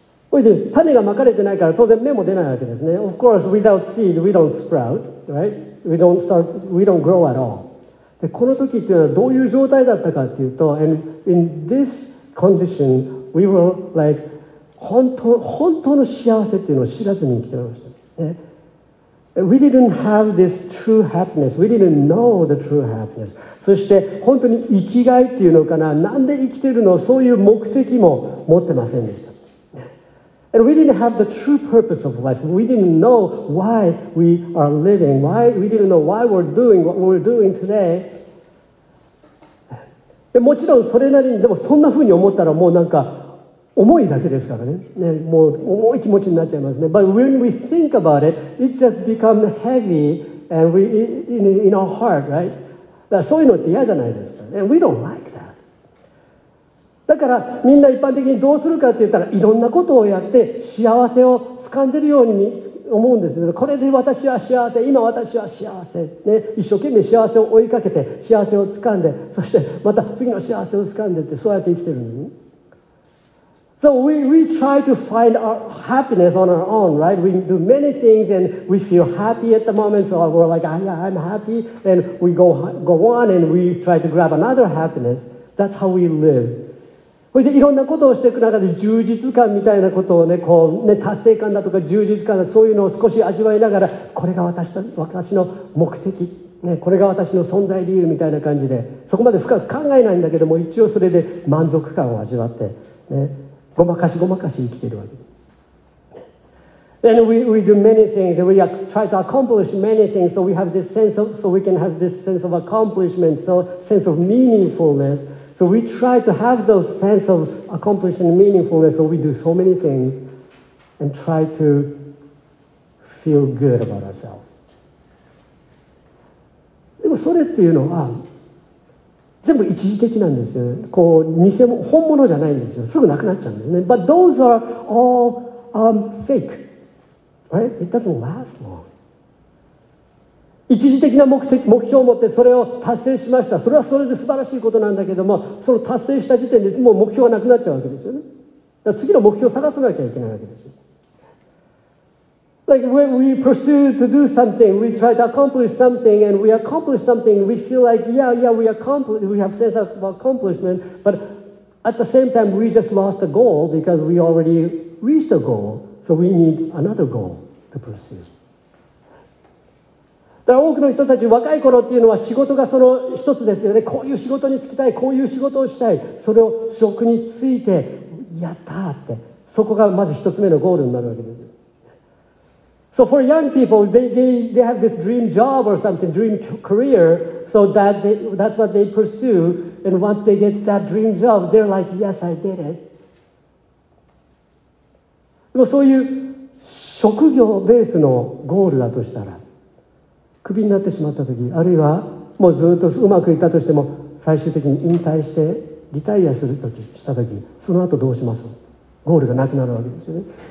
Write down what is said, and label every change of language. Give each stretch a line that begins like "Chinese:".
Japanese: 種がまかれてないから当然芽も出ないわけですね。
English: Of course, without seed, we don't sprout, right? We don't start, we don't grow at all.
Japanese: で、この時っていうのはどういう状態だったかっていうと、
English: and in this condition, we were like,
Japanese: 本当の幸せっていうのを知らずに生きてました。
English: ね、we didn't have this true happiness. We didn't know the true happiness.
Japanese: そして本当に生きがいっていうのかな、なんで生きてるの、そういう目的も持ってませんでした。
English: And we didn't have the true purpose of life. We didn't know why we are living. Why we didn't know why we're doing what we're doing today.
Japanese: でもちろんそれなりに、でもそんな風に思ったらもうなんか思いだけですからね。ね、もう重い気持ちになっちゃいますね。
English: But when we think about it, it just becomes heavy and we in our heart, right?
Japanese: だからそういうのって嫌じゃないですか。
English: And we don't like.
Japanese: だからみんな一般的にどうするかって言ったら、いろんなことをやって幸せを掴んでるように思うんですけど、これで私は幸せ、今私は幸せ、ね、一生懸命幸せを追いかけて幸せを掴んで、そしてまた次の幸せを掴んでって、そうやって生きてるのに。
English: So we try to find our happiness on our own, right? We do many things and we feel happy at the moment, so we're like, yeah, I'm happy, and we go on and we try to grab another happiness. That's how we live
Japanese: それでいろんなことをしていく中で充実感みたいなことを ね, こうね達成感だとか充実感だとかそういうのを少し味わいながら、これが私の目的、ね、これが私の存在理由みたいな感じで、そこまで深く考えないんだけども、一応それで満足感を味わって、ね、ごまかしごまかし生きているわけ。
English: Then we do many things and we try to accomplish many things, so we have this sense of, so we can have this sense of accomplishment, so sense of meaningfulnessSo we try to have those sense of accomplishing meaningfulness, so we do so many things and try to feel good about ourselves.
Japanese: でもそれっていうのは全部一時的なんですよ。こう偽物、本物じゃないんですよ。すぐなくなっちゃうんですね。
English: But those are all fake, right? It doesn't last long.
Japanese: 一時的な目標を持ってそれを達成しました。それはそれで素晴らしいことなんだけども、その達成した時点でもう目標はなくなっちゃうわけですよね。だから次の目標を探さなきゃいけないわけですよ。
English: Like when we pursue to do something, we try to accomplish something, and we accomplish something, we feel like, yeah, yeah, we accomplish, we have sense of accomplishment, but at the same time, we just lost a goal because we already reached a goal, so we need another goal to pursue.
Japanese: だから多くの人たち、若い頃っていうのは仕事がその一つですよね。こういう仕事に就きたい、こういう仕事をしたい、それを職についてやったって、そこがまず一つ目のゴールになるわけです。
English: So for young people, they have this dream job or something, dream career, so that's what they pursue, and once they get that dream job, they're like, yes, I did it.
Japanese: でもそういう職業ベースのゴールだとしたら、クビになってしまったとき、あるいはもうずっとうまくいったとしても、最終的に引退してリタイアするとき、したとき、その後どうします？ゴールがなくなるわけですよね。